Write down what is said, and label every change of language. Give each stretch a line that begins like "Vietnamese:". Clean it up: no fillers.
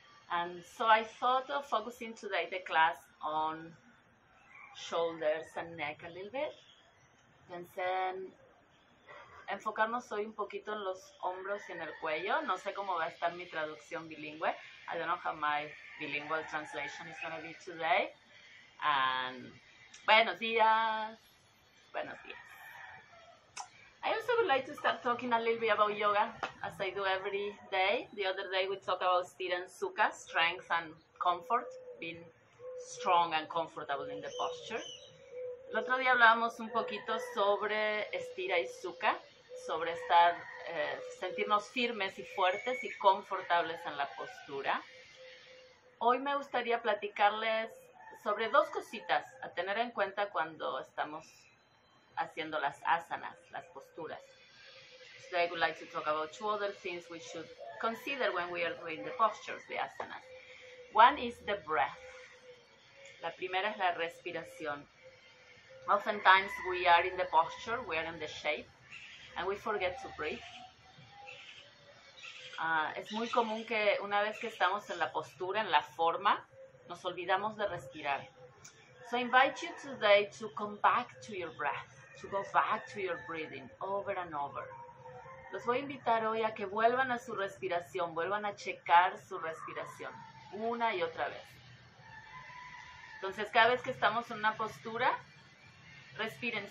English: And so I thought of focusing today the class on shoulders and neck a little bit.
Spanish: Pensé en enfocarnos hoy un poquito en los hombros y en el cuello. No sé cómo va a estar mi traducción bilingüe.
English: I don't know how my bilingual translation is going to be today. And
Spanish: buenos días. Buenos días.
English: I also would like to start talking a little bit about yoga, as I do every day. The other day we talked about Stirren Sukha, strength and comfort, being strong and comfortable in the posture.
Spanish: El otro día hablábamos un poquito sobre estira y suka, sobre estar, sentirnos firmes y fuertes y confortables en la postura. Hoy me gustaría platicarles sobre dos cositas a tener en cuenta cuando estamos haciendo las asanas, las posturas.
English: Today I would like to talk about two other things we should consider when we are doing the postures, the asanas. One is the breath.
Spanish: La primera es la respiración.
English: Oftentimes we are in the posture, we are in the shape, and we forget to breathe.
Spanish: Es muy común que una vez que estamos en la postura, en la forma, nos olvidamos de respirar.
English: So I invite you today to come back to your breath, to go back to your breathing over and over.
Spanish: Los voy a invitar hoy a que vuelvan a su respiración, vuelvan a checar su respiración una y otra vez. Entonces, cada vez que estamos en una postura, respiren.